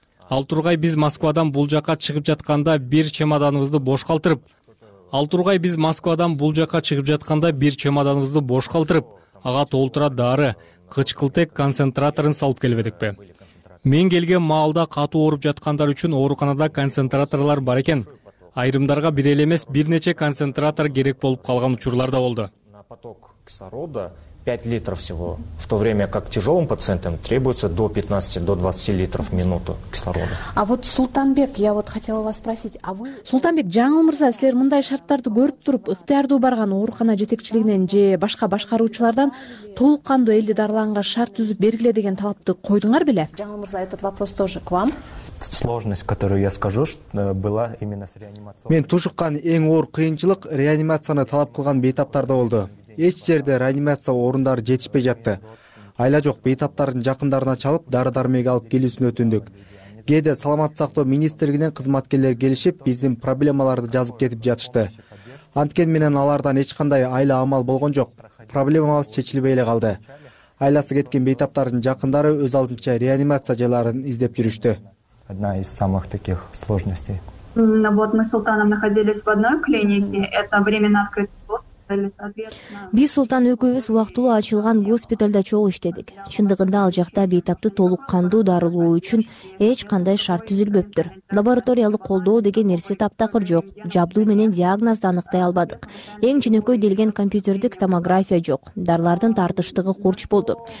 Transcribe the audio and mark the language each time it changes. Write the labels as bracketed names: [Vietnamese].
[Kyrgyz] Ал тургай биз Москвадан бул жака чыгып жатканда бир чемоданыбызды бош калтырып, ага толтура дары, кычкылтек концентраторун салып келбедикпи? Мен келген маалда катуу ооруп жаткандар үчүн ооруканада концентраторлор бар экен. Айрымдарга бир эле эмес бир нече концентратор керек болуп калган учурлар да болду. [Russian] На поток кислорода 5 литров всего, в то время как тяжелым пациентам требуется до 15-20 литров в минуту кислорода. А вот Султанбек, я вот хотела вас спросить, а вы... [Kyrgyz] Султанбек, жаңыл мырза, силер мындай шарттарды көрүп туруп, ыктыярдуу барган оорукана жетекчилигинен же башка башкаруучулардан толкандуу элди дарыланган шарт түзүп бергиле деген талапты койдуңар беле? [Russian] Жаңыл мырза, этот вопрос тоже к вам. Сложность, которую я скажу, была именно с реанимацией. [Kyrgyz] Мен тушуккан эң оор кыйынчылык реанимацияны талап кылган бейтаптарда болду. Эч жерде реанимация орундары жетишпей жатты. Айла жок, бейтаптардын жакындарына чалып, дары-дармек алып келүүсүн өтүндүк. Кээде саламаттык сактоо министрлигинен кызматкерлер келишип, биздин проблемаларды жазып кетип жатышты. Анткени менен алардан эч кандай айла амал болгон жок. Проблемабыз чечилбей эле калды. Айласы кеткен бейтаптардын жакындары өз алдынча реанимация жайларын издеп жүрүштү. [Russian] Одна из самых таких сложностей. Вот мы с Султаном находились в одной клинике, это временно открытый пост. [Kyrgyz] Биз Султан өкөбүз убактылуу ачылган госпиталда чогуу иштедик. Чындыгында ал жакта бейтапты толук кандуу дарылоо үчүн эч кандай шарт түзүлбөптүр. Лабораториялык колдоо деген нерсе таптакыр жок. Жабдуу менен диагнозду аныктай албадык. Эң жөнөкөй делген компьютердик томография жок. Дарылардын тартыштыгы курч болду.